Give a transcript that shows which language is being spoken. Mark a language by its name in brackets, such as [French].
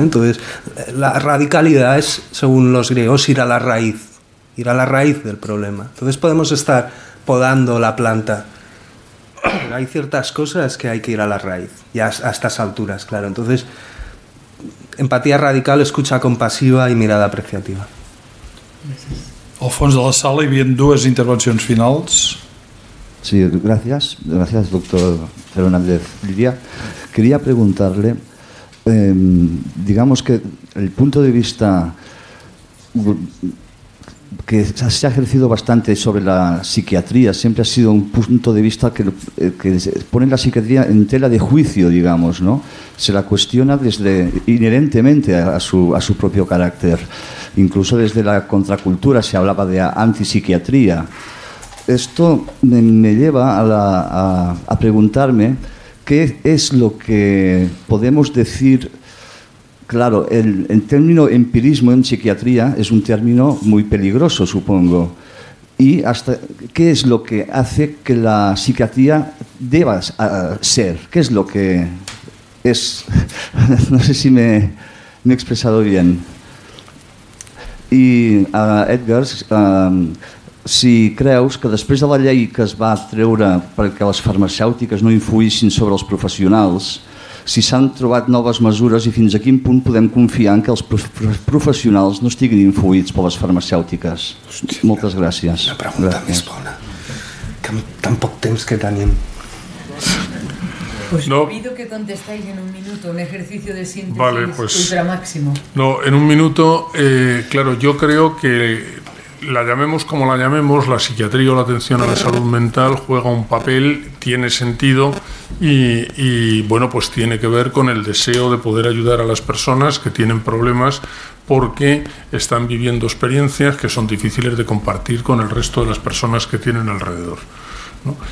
[Spanish] Entonces, la radicalidad es, según los griegos, ir a la raíz del problema. Entonces podemos estar podando la planta, pero hay ciertas cosas que hay que ir a la raíz, y a estas alturas, claro. Entonces, empatía radical, escucha compasiva y mirada apreciativa. [Catalan] Al fons de la sala hi havia dues intervencions finals. [Spanish] Sí, gracias. Gracias, doctor Fernández Liria. Quería preguntarle, digamos que el punto de vista que se ha ejercido bastante sobre la psiquiatría, siempre ha sido un punto de vista que pone la psiquiatría en tela de juicio, digamos, ¿no? Se la cuestiona desde inherentemente a su propio carácter. Incluso desde la contracultura se hablaba de antipsiquiatría. Esto me lleva a preguntarme qué es lo que podemos decir. Claro, el término empirismo en psiquiatría es un término muy peligroso, supongo. ¿Y hasta qué es lo que hace que la psiquiatría deba ser? ¿Qué es lo que es? No sé si me he expresado bien. [Catalan] Y Edgar, si creus que després de la llei que es va treure perquè les farmacèutiques no influïssin sobre els professionals, si s'han trobat noves mesures i fins a quin punt podem confiar en que els professionals no estiguin influïts per les farmacèutiques. Hòstia, moltes gràcies. Una pregunta gràcies. Més bona. Que amb tan poc temps que tenim... [Spanish] Pues no. Pido que contestéis en un minuto un ejercicio de síntesis, vale, pues, ultra máximo. No, en un minuto, claro, yo creo que la llamemos como la llamemos, la psiquiatría o la atención a la salud mental juega un papel, tiene sentido y bueno, pues tiene que ver con el deseo de poder ayudar a las personas que tienen problemas porque están viviendo experiencias que son difíciles de compartir con el resto de las personas que tienen alrededor, ¿no?